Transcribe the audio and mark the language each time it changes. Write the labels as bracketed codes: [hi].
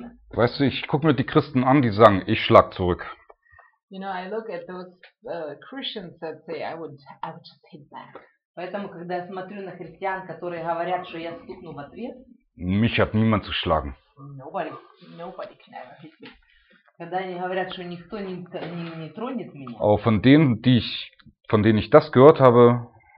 [de] Weißt du, ich guck mir die Christen an, die sagen, ich schlag zurück. [en] You know, I look at those Christians that say, I would just hit back. [ru] Поэтому, когда я смотрю на христиан, которые говорят, что я стукну в ответ, [de] mich hat niemand zu schlagen. [en] Nobody can ever hit me. [ru] Когда они говорят, что никто не тронет меня. [de] Aber von denen ich das gehört habe.